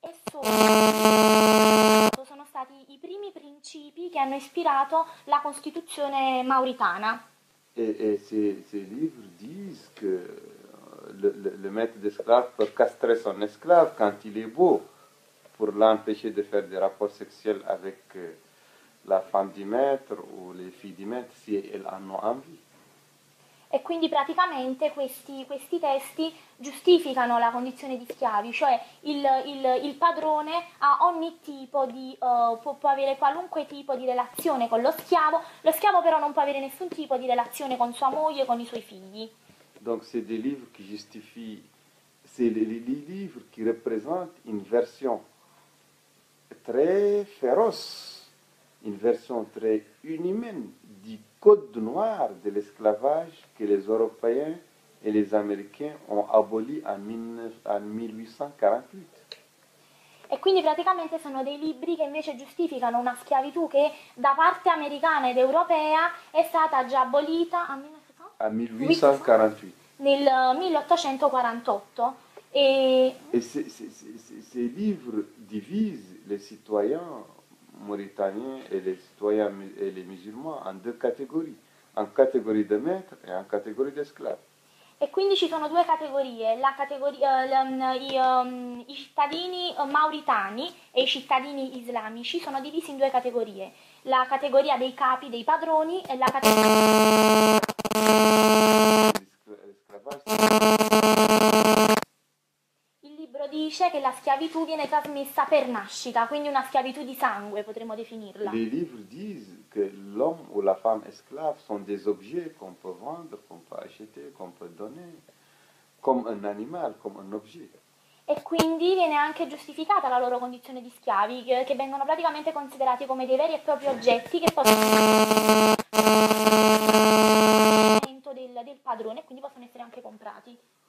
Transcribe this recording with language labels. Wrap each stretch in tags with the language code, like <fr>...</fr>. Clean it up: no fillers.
<it>Sono stati i primi principi che hanno ispirato la Costituzione mauritana.</it> <fr>Et ces livres disent que le maître d'esclave peut castrer son esclave quand il est beau pour l'empêcher de faire des rapports sexuels avec la femme du maître ou les filles du maître si elles en ont envie.</fr> <it>E quindi praticamente questi testi giustificano la condizione di schiavi, cioè il padrone ha ogni tipo di, può avere qualunque tipo di relazione con lo schiavo però non può avere nessun tipo di relazione con sua moglie, con i suoi figli.</it> <fr>Donc, c'est des livres qui justifient, c'est les livres qui représentent une version très féroce, une version très inhumaine du code noir de l'esclavage que les Européens et les Américains ont aboli en 1848.</fr> <it>E quindi praticamente sono dei libri che invece giustificano una schiavitù che da parte americana ed europea è stata già abolita a A 1848. 1800? Nel 1848. E</it> <fr>Et ces livres divisent les citoyens mauritaniens et les citoyens et les musulmans en deux catégories, en catégorie de maîtres et en catégorie d'esclaves.</fr> <it>quindi ci sono due categorie, la categoria, i cittadini mauritani e i cittadini islamici sono divisi in due categorie, la categoria dei capi, dei padroni e la categoria dice che la schiavitù viene trasmessa per nascita, quindi una schiavitù di sangue, potremmo definirla.</it> <fr>Les livres disent que l'homme ou la femme esclave sont des objets qu'on peut vendre, qu'on peut acheter, qu'on peut donner, comme un animal, comme un objet.</fr> <it>E quindi viene anche giustificata la loro condizione di schiavi, che vengono praticamente considerati come dei veri e propri oggetti che possono del padrone, quindi possono essere anche comprati.</it>